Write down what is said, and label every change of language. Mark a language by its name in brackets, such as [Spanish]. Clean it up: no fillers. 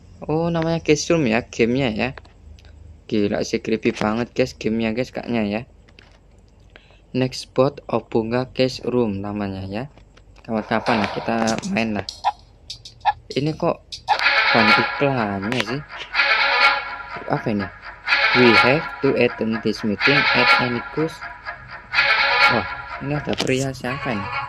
[Indonesian] Oh, namanya case room ya game-nya ya. Gila sih, creepy banget guys game-nya guys kayaknya ya. Next spot Obunga Case Room namanya ya. Kapan-kapan lah kita main lah. Ini kok banyak iklannya sih. Apa ini? [English] We have to attend this meeting at any cost. [Indonesian] Wah, ini ada pria siapa ini?